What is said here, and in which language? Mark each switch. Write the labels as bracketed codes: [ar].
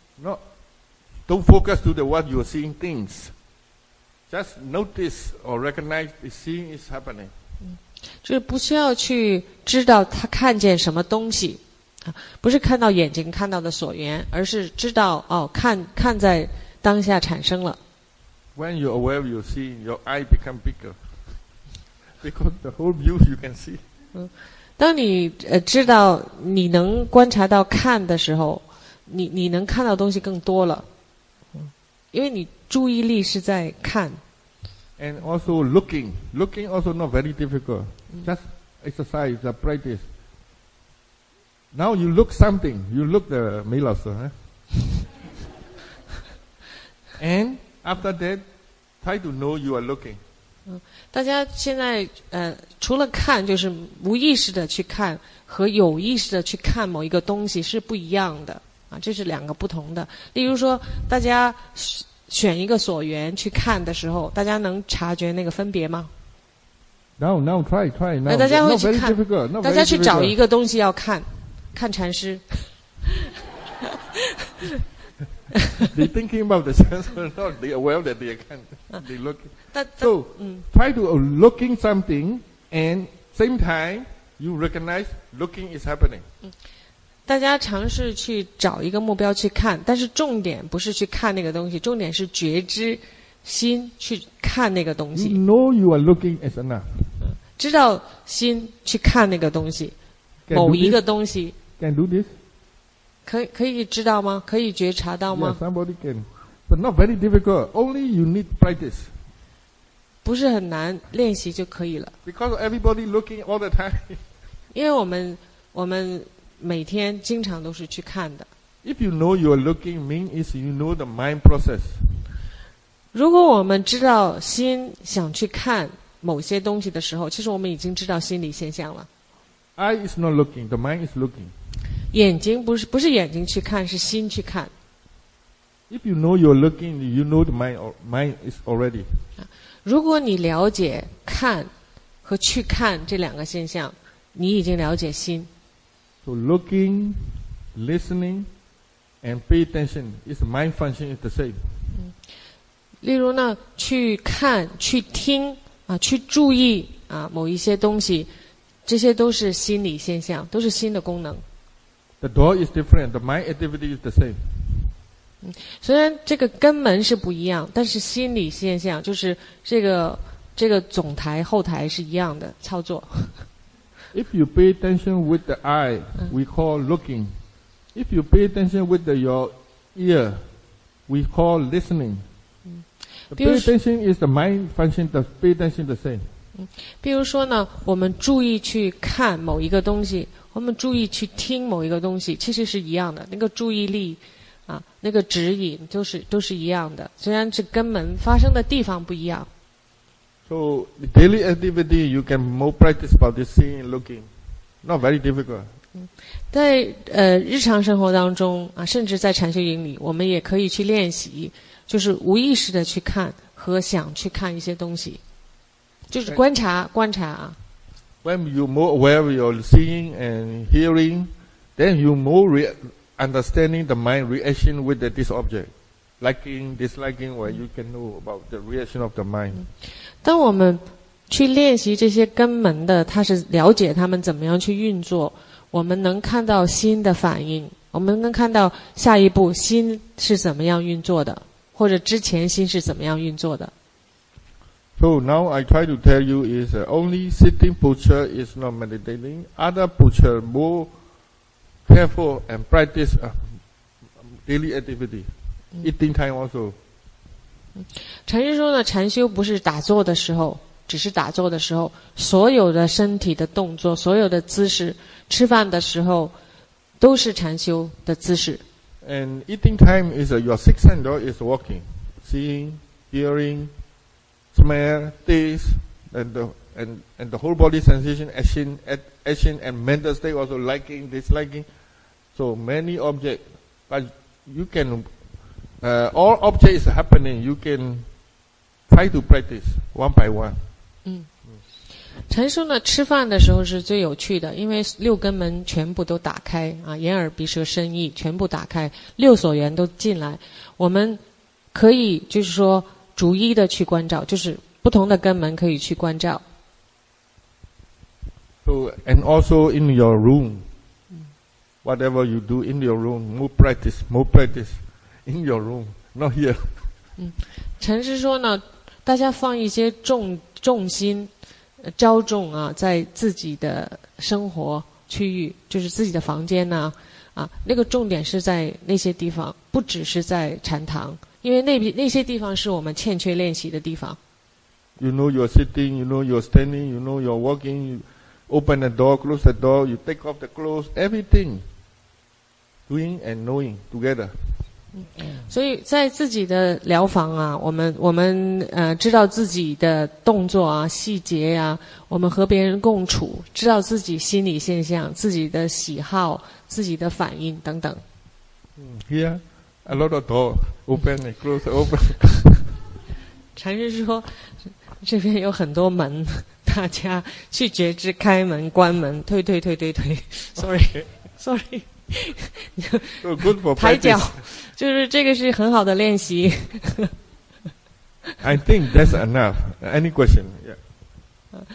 [en] No, don't focus to the what you are seeing things just notice or recognize the seeing is happening [zh] 就是不需要去知道他看见什么东西不是看到眼睛看到的所缘而是知道哦，看在当下产生了 [en] when you're aware of your seeing your eye become bigger because the whole view you can see [zh] 当你知道你能观察到看的时候，你能看到东西更多了，因为你注意力是在看。 [en] And also looking also not very difficult. Just exercise, the practice. Now you look something, you look the Mei老师, And after that, try to know you are looking. [zh] 大家现在除了看，就是无意识的去看和有意识的去看某一个东西是不一样的啊，这是两个不同的。例如说，大家选一个所缘去看的时候，大家能察觉那个分别吗 [en] ？No, try now. [zh] 大家会去看， [en] not very difficult, [zh] 大家去找一个东西要看，看禅师。 [en] They thinking about the sense, or not? They aware that they can, they look. So, try to looking something, and same time you recognize looking is happening. [zh] 大家尝试去找一个目标去看，但是重点不是去看那个东西，重点是觉知心去看那个东西。 [en] You know you are looking is enough. [zh] 知道心去看那个东西，某一个东西。 [en] Can do this. [zh] 可以知道吗？可以觉察到吗 [en] ？Yes, somebody can, but not very difficult. Only you need practice. [zh] 不是很难，练习就可以了。 [en] Because everybody looking all the time. [zh] 因为我们每天经常都是去看的。 [en] If you know you are looking, mean is you know the mind process. [zh] 如果我们知道心想去看某些东西的时候，其实我们已经知道心理现象了。 [en] Eye is not looking, the mind is looking. [zh] 眼睛不是眼睛去看，是心去看。 [en] If you know you're looking, you know the mind is already. [zh] 如果你了解看和去看这两个现象，你已经了解心。 [en] So looking, listening, and pay attention is mind function is the same. [zh] 例如呢，去看、去听啊、去注意啊某一些东西，这些都是心理现象，都是心的功能。 [en] The door is different. The mind activity is the same. [zh] 虽然这个根门是不一样，但是心理现象就是这个总台后台是一样的操作。 [en] If you pay attention with the eye, we call looking. If you pay attention with your ear, we call listening. The pay attention is the mind function. The pay attention is the same. [zh] 比如说呢，我们注意去看某一个东西。我们注意去听某一个东西，其实是一样的。那个注意力，啊，那个指引都是一样的。虽然是根本发生的地方不一样。 [en] So daily activity, you can more practice about the seeing and looking, not very difficult. [zh] 在日常生活当中啊，甚至在禅修营里，我们也可以去练习，就是无意识的去看和想去看一些东西，就是观察、okay. 观察啊。 [en] When you're more aware of your seeing and hearing, then you're more understanding the mind reaction with this object. Liking, disliking, where you can know about the reaction of the mind. [zh] 当我们去练习这些根门的，它是了解他们怎么样去运作，我们能看到心的反应，我们能看到下一步心是怎么样运作的，或者之前心是怎么样运作的。 [en] So now I try to tell you is only sitting posture is not meditating. Other posture more careful and practice daily activity. Eating time also. [zh] 禅师说呢，禅修不是打坐的时候，只是打坐的时候，所有的身体的动作，所有的姿势，吃饭的时候，都是禅修的姿势。 [en] And eating time is your sixth sense is walking, seeing, hearing. Smell, taste, and the whole body sensation, action, and mental state also liking, disliking. So many objects. But you can, all objects happening, you can try to practice one by one. [zh] 禅师呢，吃饭的时候是最有趣的，因为六根门全部都打开啊，眼耳鼻舌身意全部打开，六所缘都进来，我们可以就是说。逐一的去关照，就是不同的根门可以去关照。 [en] So and also in your room, whatever you do in your room, more practice in your room, not here. [zh] 禅师说呢，大家放一些重心，骄纵啊，在自己的生活区域，就是自己的房间呢、啊，啊，那个重点是在那些地方，不只是在禅堂，因为那些地方是我们欠缺练习的地方。 [en] You know you're sitting, you know you're standing, you know you're walking, you open the door, close the door, you take off the clothes, everything, doing and knowing together. [zh] 所以在自己的疗房啊，我们知道自己的动作啊、细节啊，我们和别人共处，知道自己心理现象、自己的喜好、自己的反应等等。 [en] Here, a lot of door open and close, open. [zh] 禅师说。这边有很多门，大家去觉知，开门、关门、推推推推推。 [en] Sorry，Sorry、 okay. Sorry. So good for practice. [zh] 抬脚，就是这个是很好的练习。 [en] I think that's enough. Any question? Yeah.